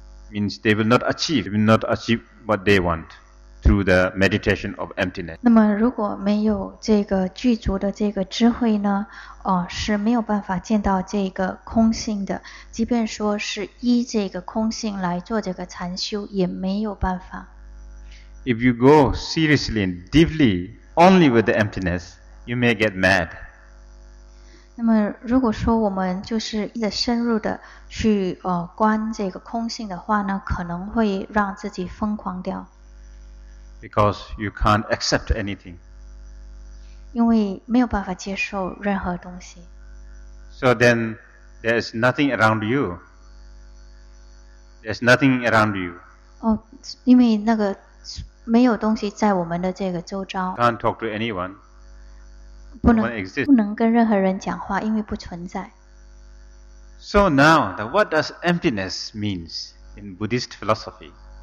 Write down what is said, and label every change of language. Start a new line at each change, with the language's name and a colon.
English: Means they will not achieve, what they want through the meditation of emptiness.
Chinese: 那么如果没有这个具足的这个智慧呢，是没有办法见到这个空性的。即便说是依这个空性来做这个禅修，也没有办法。
English: If you go seriously and deeply only with the emptiness, you may get mad.
Chinese: 那么如果说我们就是一直深入的去观这个空性的话呢，可能会让自己疯狂掉。
English: Because you can't accept anything.
Chinese: 因为没有办法接受任何东西。
English: So then there is nothing around you. There's nothing around you.
Chinese: 因为那个没有东西在我们的这个周遭。
English: You can't talk to anyone.
Chinese: 不能跟任何人讲话，因为不存在。
English: So now, what does emptiness mean in Buddhist philosophy?